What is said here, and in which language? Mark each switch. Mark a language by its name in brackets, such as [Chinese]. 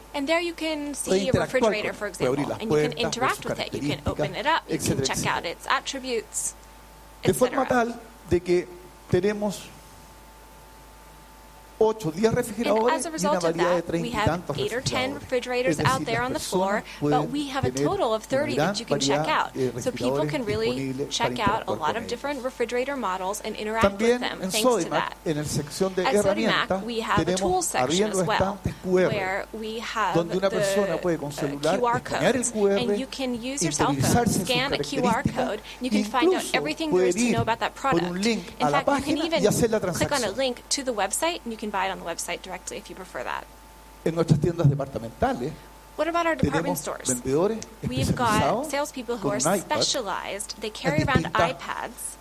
[English] And there you can see a refrigerator, for example, [Spanish] puertas, [English] and you can interact with it. You can open it up, [Spanish] etcétera, [English] you can check out its attributes, etcétera. [Spanish] De forma tal de que tenemos 8 o 10 refrigeradores y una variedad de 30 y tantos refrigeradores [English] out there on the floor, but we have a total of 30 that you can check out. So people can really check out a lot of different refrigerator models and interact [Spanish] también [English] with them. [Spanish] En Sodimac, en la sección de herramientas, tenemos abriendo estantes QR, donde una persona puede con celular escanear el QR, [English] and you can use your cell phone, scan a QR code, and you can find out everything there is to know about that product. In fact, you can even click on a link to the website, and you can buy it on the website directly if you prefer that. [Spanish] En nuestras tiendas departamentales, [English] what about our department stores? [Spanish] Vendedores [English] we've got salespeople who are specialized. They carry around iPads.